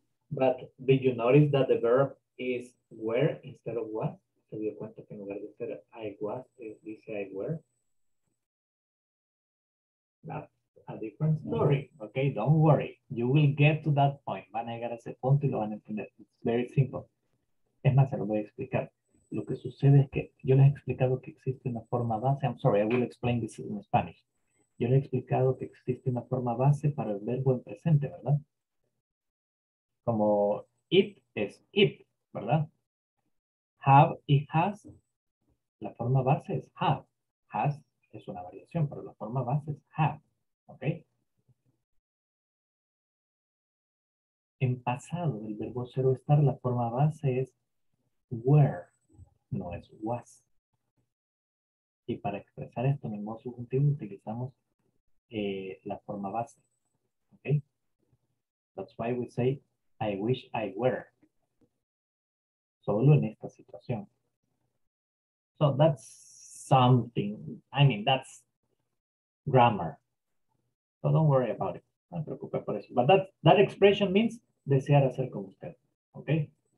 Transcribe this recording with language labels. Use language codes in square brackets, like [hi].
[en] But did you notice that the verb is where instead of what? [es] ¿Se dio cuenta que en lugar de ser I was, dice I were? [en] That's a different story. Okay, don't worry. You will get to that point. [es] Van a llegar a ese punto y lo van a entender. [en] It's very simple. [es] Es más, se lo voy a explicar. Lo que sucede es que yo les he explicado que existe una forma base. [en] I'm sorry, I will explain this in Spanish. [es] Yo les he explicado que existe una forma base para el verbo en presente, ¿verdad? Como it es it, ¿verdad? Have y has, la forma base es have. Has es una variación, pero la forma base es have. ¿Ok? En pasado, el verbo cero estar, la forma base es were, no es was. Y para expresar esto en el modo subjuntivo utilizamos la forma base. ¿Ok? [en] That's why we say, I wish I were. [es] Solo en esta situación. [en] So that's something. I mean, that's grammar. So don't worry about it. [es] No se preocupe por eso. [en] But that expression means [es] desear hacer como usted. Okay?